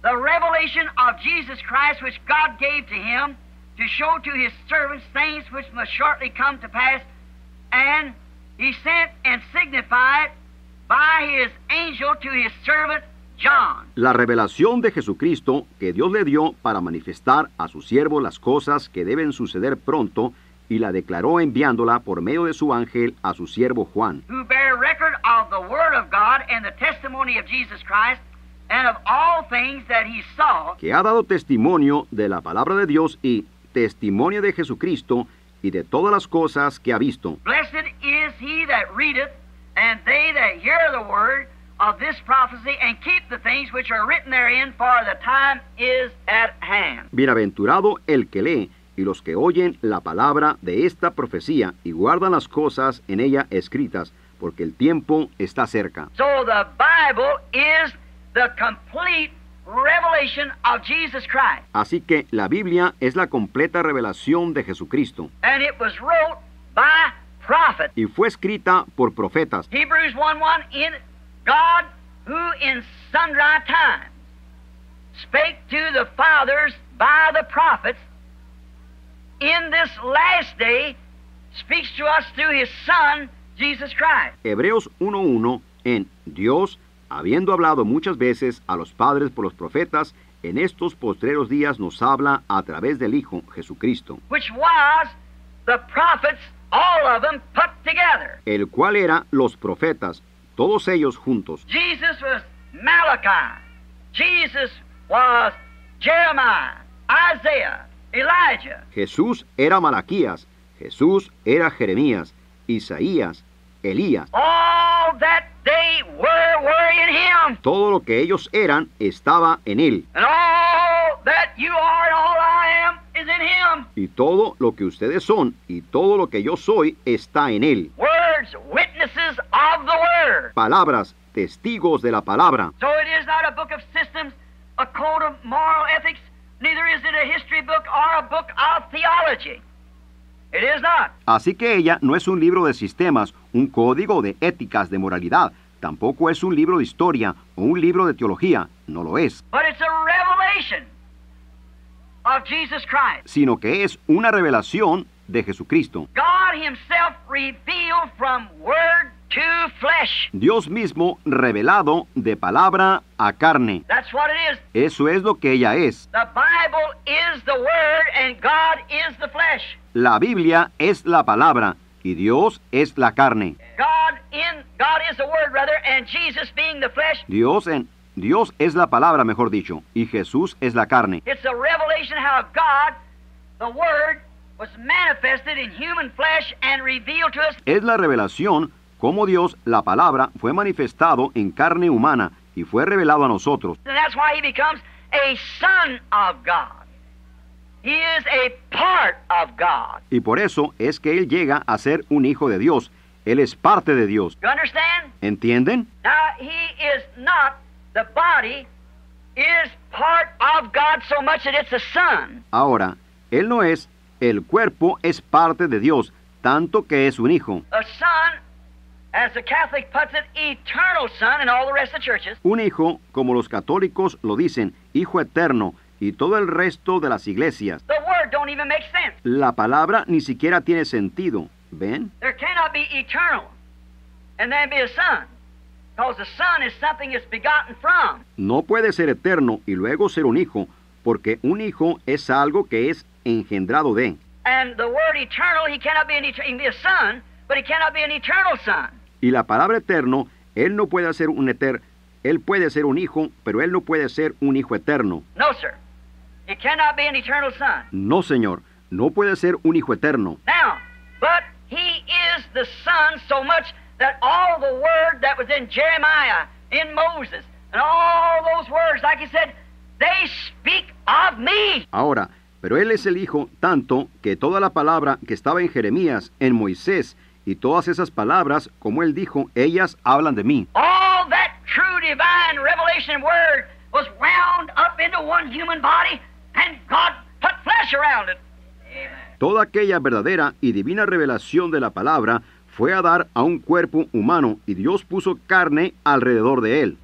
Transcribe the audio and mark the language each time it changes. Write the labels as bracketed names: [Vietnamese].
[English] The revelation of Jesus Christ, which God gave to him, to show to his servants things which must shortly come to pass, and he sent and signified by his angel to his servant John. [Spanish] La revelación de Jesucristo que Dios le dio para manifestar a su siervo las cosas que deben suceder pronto, y la declaró enviándola por medio de su ángel a su siervo Juan. [English] Who bear record of the word of God and the testimony of Jesus Christ and of all things that he saw. [Spanish] Que ha dado testimonio de la palabra de Dios y testimonio de Jesucristo y de todas las cosas que ha visto. [English] Blessed is he that readeth, And they that hear the word of this prophecy and keep the things which are written therein, for the time is at hand. [Spanish] Bienaventurado el que lee y los que oyen la palabra de esta profecía y guardan las cosas en ella escritas, porque el tiempo está cerca. [English] So the Bible is the complete revelation of Jesus Christ. [Spanish] Así que la Biblia es la completa revelación de Jesucristo. [English] And it was wrote by prophets. [Spanish] Y fue escrita por profetas. [English] Hebrews 1:1, in God who in sundry times spake to the fathers by the prophets, in this last day speaks to us through his Son Jesus Christ. [Spanish] Hebreos 1:1, en Dios, habiendo hablado muchas veces a los padres por los profetas, en estos postreros días nos habla a través del Hijo Jesucristo. [English] Which was the prophets, all of them put together. [Spanish] El cual era los profetas, todos ellos juntos. [English] Jesus was Malachi. Jesus was Jeremiah, Isaiah, Elijah. [Spanish] Jesús era Malaquías. Jesús era Jeremías, Isaías, Elías. [English] All that they were in him. [Spanish] Todo lo que ellos eran estaba en él. [English] And all that you are and all I am is in him. [Spanish] Y todo lo que ustedes son y todo lo que yo soy está en él. [English] Words, witnesses of the word. [Spanish] Palabras, testigos de la palabra. [English] So it is not a book of systems, a code of moral ethics, neither is it a history book or a book of theology. It is not. [Spanish] Así que ella no es un libro de sistemas, un código de éticas, de moralidad. Tampoco es un libro de historia o un libro de teología. No lo es. [English] But it's a revelation of Jesus Christ. [Spanish] Sino que es una revelación de Jesucristo. [English] God himself revealed from word to flesh. [Spanish] Dios mismo revelado de palabra a carne. [English] That's what it is. [Spanish] Eso es lo que ella es. [English] The Bible is the word and God is the flesh. [Spanish] La Biblia es la palabra y Dios es la carne. [English] God is the word rather, and Jesus being the flesh. [Spanish] Dios es la palabra, mejor dicho, y Jesús es la carne. [English] It's a revelation how God, the word, was manifested in human flesh and revealed to us. [Spanish] Es la revelación cómo Dios, la palabra, fue manifestado en carne humana y fue revelado a nosotros. [English] And that's why he becomes a son of God. He is a part of God. [Spanish] Y por eso es que él llega a ser un hijo de Dios. Él es parte de Dios. [English] You understand? [Spanish] ¿Entienden? [English] Now, he is not the body, is part of God so much that it's a son. [Spanish] Ahora, él no es, el cuerpo es parte de Dios, tanto que es un hijo. [English] A son, as the Catholic puts it, eternal son in all the rest of the churches. [Spanish] Un hijo, como los católicos lo dicen, hijo eterno, y todo el resto de las iglesias. [English] The word don't even make sense. [Spanish] La palabra ni siquiera tiene sentido. ¿Ven? [English] There cannot be eternal and then be a son, because a son is something it's begotten from. [Spanish] No puede ser eterno y luego ser un hijo, porque un hijo es algo que es engendrado de. [English] And the word eternal, he cannot be an be a son, but he cannot be an eternal son. [Spanish] Y la palabra eterno, él no puede ser un eterno. Él puede ser un hijo, pero él no puede ser un hijo eterno. [English] No, sir. He cannot be an eternal son. [Spanish] No, señor. No puede ser un hijo eterno. [English] Now, but he is the son so much that all the word that was in Jeremiah, in Moses, and all those words, like he said, they speak of me. [Spanish] Ahora, pero él es el hijo tanto que toda la palabra que estaba en Jeremías, en Moisés, y todas esas palabras, como él dijo, ellas hablan de mí. [English] All that true divine revelation word was wound up into one human body and God put flesh around it. [Spanish] Toda aquella verdadera y divina revelación de la palabra fue a dar a un cuerpo humano y Dios puso carne alrededor de él.